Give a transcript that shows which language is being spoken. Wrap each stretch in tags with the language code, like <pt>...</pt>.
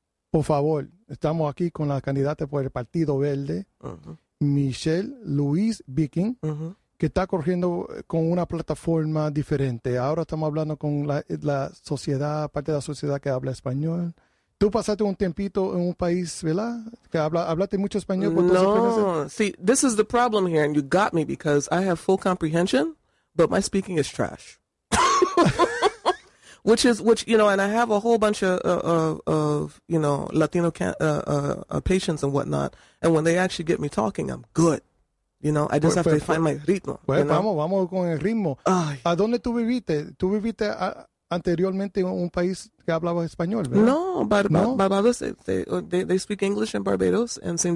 <es>Por favor, estamos aquí con la candidata por el Partido Verde, Michelle Louise Viking. Que está corriendo con una plataforma diferente. Ahora estamos hablando con la sociedad, parte de la sociedad que habla español. Tú pasaste un tiempito en un país, ¿verdad? Que hablaste mucho español.</es> <en>No, see, this is the problem here, and you got me because I have full comprehension, but my speaking is trash. which, you know, and I have a whole bunch of you know, Latino patients and whatnot, and when they actually get me talking, I'm good. You know, I just have to find my ritmo.</en> <es>Pues,</es> <en>you know?</en> <es>Vamos con el ritmo. Ay. ¿A dónde tú viviste? ¿Tú viviste anteriormente en un país que hablaba español, verdad?</es> <en>No, Barbados, they speak English in Barbados, and St.</en>